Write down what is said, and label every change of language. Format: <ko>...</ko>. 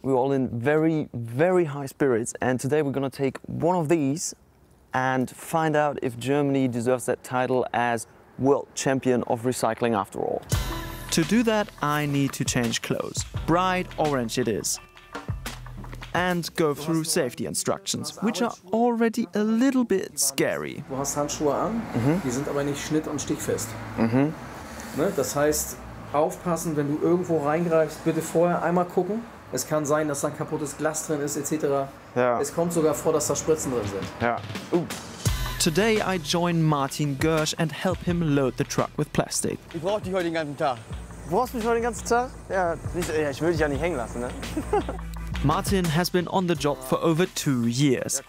<en>We're all in very, very high spirits, and today we're gonna take one of these and find out if Germany deserves that title as world champion of recycling after all. To do that, I need to change clothes. Bright orange it is. And go through safety instructions, which are already a little bit scary.</en> <de>Du hast Handschuhe an, die sind aber nicht schnitt- und stichfest. Das heißt, aufpassen, wenn du irgendwo reingreifst, bitte vorher einmal gucken. Es kann sein, dass da ein kaputtes Glas drin ist, etc. Es kommt sogar vor, dass da Spritzen drin sind.</de> <en>Today I join Martin Gersch and help him load the truck with plastic.</en> <de>Ich brauch dich heute den ganzen Tag. Du brauchst mich heute den ganzen Tag? Ja, ich will dich ja nicht hängen lassen, ne?</de> <en>Martin has been on the job for over 2 years.</en>